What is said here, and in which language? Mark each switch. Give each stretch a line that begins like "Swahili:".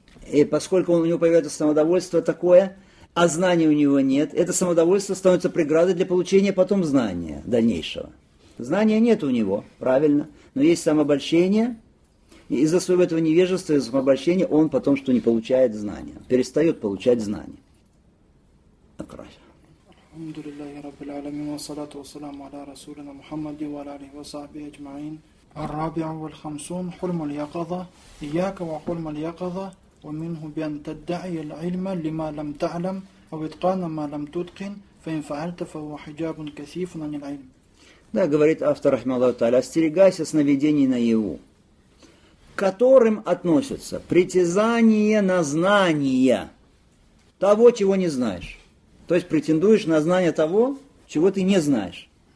Russian: И поскольку у него появляется самодовольство такое, а знания у него нет, это самодовольство становится преградой для получения потом знания дальнейшего. Знания нет у него, правильно, но есть самобольщение. И из-за своего этого невежества, из-за самобольщения, он потом что не получает знания, перестает получать знания. Так, раз.
Arabic: الحمد لله رب العالمين والصلاة والسلام على رسولنا محمد وعلى آله وصحبه أجمعين. الرابع والخمسون حلم اليقظة. إياك وحلم اليقظة، ومنه بأن تدعي العلم لما لم تعلم أو إتقان ما لم تتقن، فإن فعلت فهو حجاب كثيف عن العلم.
Russian: Да, говорит автор رحمه الله تعالى, остерегайся сновидений наяву, к которым относятся притязание на знания того, чего не знаешь. То есть претендуешь на знание того, чего ты не знаешь.